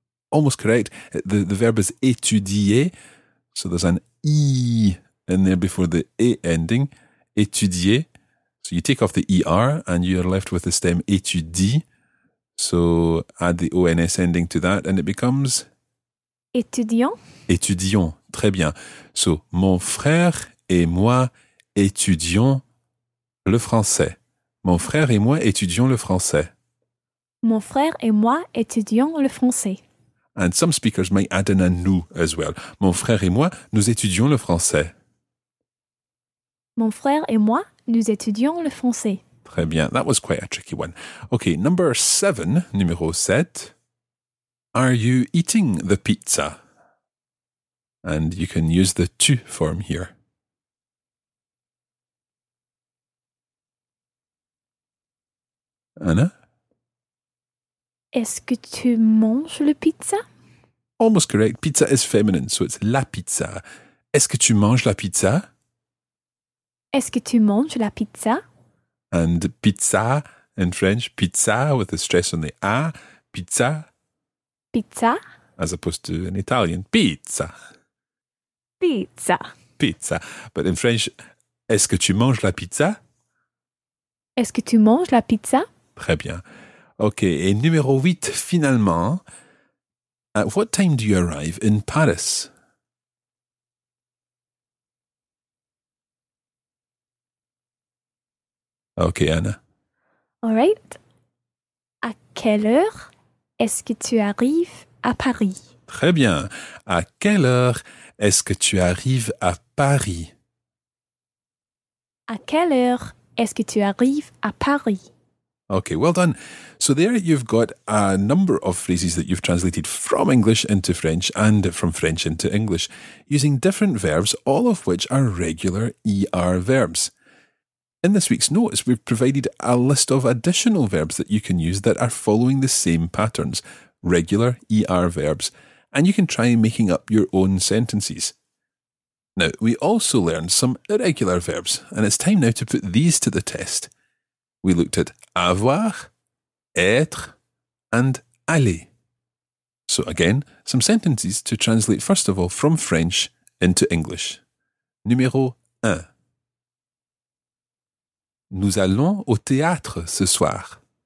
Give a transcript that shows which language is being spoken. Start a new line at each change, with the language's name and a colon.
English: Almost correct. The verb is étudier. So, there's an I in there before the E ending. Étudier. So you take off the ER and you're left with the stem étudie. So add the ONS ending to that and it becomes?
French: Étudiant. Étudiant. Très bien.
English: So
French: mon frère et moi étudions le français. Mon frère et moi étudions le français. Mon frère et moi étudions le français.
English: And some speakers might add in a nous as well.
French: Mon frère et moi, nous étudions le français. Mon frère et moi, nous étudions le français. Très bien.
English: That was quite a tricky one. Okay, number 7,
French: numéro 7.
English: Are you eating the pizza? And you can use the tu form here. Anna?
French: Est-ce que tu manges le pizza?
English: Almost correct. Pizza is feminine, so it's la pizza.
French: Est-ce que tu manges la pizza? Est-ce que tu manges la pizza?
English: And pizza in French, pizza with a stress on the A, pizza.
French: Pizza.
English: As opposed to in Italian, pizza.
Italian: Pizza.
French: Pizza.
English: But in French,
French: est-ce que tu manges la pizza? Est-ce que tu manges la pizza? Très bien. OK, et numéro 8, finalement.
English: At what time do you arrive in Paris? Okay, Anna. All right.
French: À quelle heure est-ce que tu arrives à Paris? Très bien. À quelle heure est-ce que tu arrives à Paris? À quelle heure est-ce que tu arrives à Paris?
English: Okay, well done. So there you've got a number of phrases that you've translated from English into French and from French into English using different verbs, all of which are regular ER verbs. In this week's notes, we've provided a list of additional verbs that you can use that are following the same patterns, regular ER verbs, and you can try making up your own sentences. Now, we also learned some irregular verbs, and it's time now to put these to the test. We looked at avoir, être, and aller. So again, some sentences to translate first of all from French into English.
French: Numéro 1. Nous allons au théâtre ce soir.